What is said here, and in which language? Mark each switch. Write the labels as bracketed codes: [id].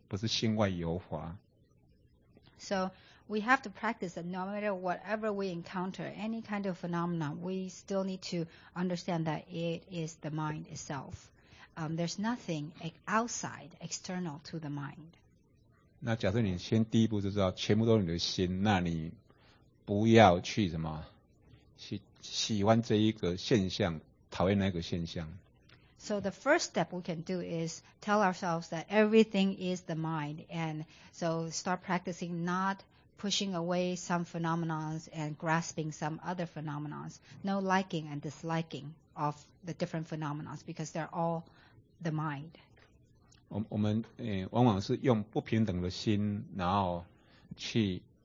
[zh] 所以假设你能够知道说，你的心，不管你接触到什么，都是你的心。你不要以为那是外面的东西，不是心外有法。So [en] we have to practice that no matter whatever we encounter, any kind of phenomenon, we still need to understand that it is the mind itself. There's nothing outside, external to the mind. [zh] 那假设你先第一步就知道，全部都是你的心，那你。不要去什么，喜欢这一个现象，讨厌那个现象。So [en] the first step we can do is tell ourselves that everything is the mind, and so start practicing not pushing away some phenomena and grasping some other phenomena. No liking and disliking of the different phenomena because they're all the mind. [zh] 我们往往是用不平等的心，然后去。